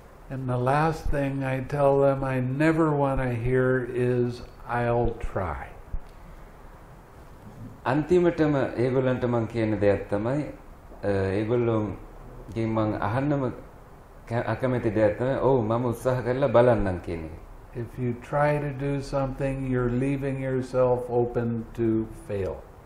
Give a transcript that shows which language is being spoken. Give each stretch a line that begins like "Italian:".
English: And the last thing I tell them I never want to hear is I'll try.
Sinhala: අන්තිමටම ඒගොල්ලන්ට මම කියන දෙයක් තමයි ඒගොල්ලෝගෙන් මම අහන්නම අකමැති දෙයක් තමයි ඔව් මම උත්සාහ කරලා බලන්නම් කියන එක.
English: If you try to do something you're leaving yourself open to fail.